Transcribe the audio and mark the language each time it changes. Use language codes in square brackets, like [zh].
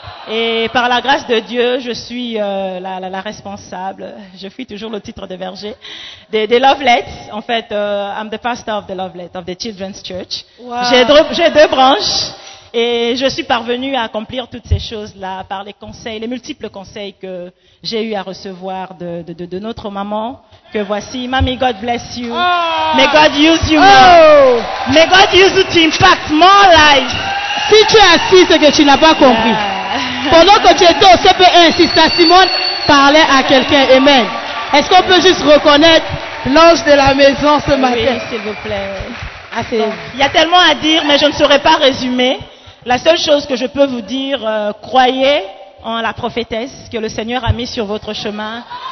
[fr] Et par la grâce de Dieu, je suis la responsable. Je fuis toujours le titre de berger. Des Lovelets, en fait, [en] I'm the pastor of the Lovelets, of the Children's Church. Wow. [fr] J'ai deux branches et je suis parvenue à accomplir toutes ces choses-là par les conseils, les multiples conseils que j'ai eu à recevoir de notre maman. Que voici, [en] Mommy, God bless you. Oh. May God use you. Oh. May God use you to impact more lives. [fr] Si tu es assis, c'est que tu n'as pas compris. Yeah. Pendant que tu étais au CP1, si ça, Simone parlait à quelqu'un, amen. Est-ce qu'on peut juste reconnaître l'ange de la maison ce matin? Oui, s'il vous plaît. Il y a tellement à dire, mais je ne saurais pas résumer. La seule chose que je peux vous dire, croyez en la prophétesse que le Seigneur a mis sur votre chemin.